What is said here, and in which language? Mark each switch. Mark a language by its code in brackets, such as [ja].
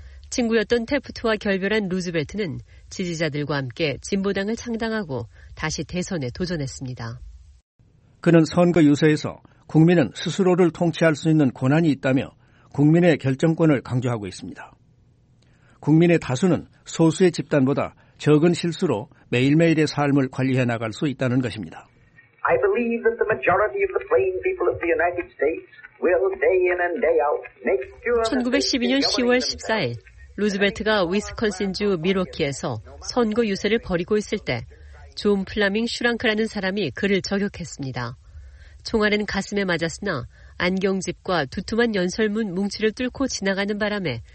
[ko] 친구였던 태프트와 결별한 루즈벨트는 지지자들과 함께 진보당을 창당하고 다시 대선에 도전했습니다. 그는 선거 유세에서 국민은 스스로를 통치할 수 있는 권한이 있다며 국민의 결정권을 강조하고 있습니다. 국민의 다수는 소수의 집단보다 적은 실수로 매일매일의 삶을 관리해 나갈 수 있다는 것입니다. [en] I believe that the majority of the plain people of the United States will day in and day out make sure. [ko] 1912년 10월 14일 루즈벨트가 위스콘신주 밀워키에서 선거 유세를 벌이고 있을 때 존 플라밍 슈랑크라는 사람이 그를 저격했습니다. 총알은 가슴에 맞았으나 안경집과 두툼한 연설문 뭉치를 뚫고 지나가는 바람에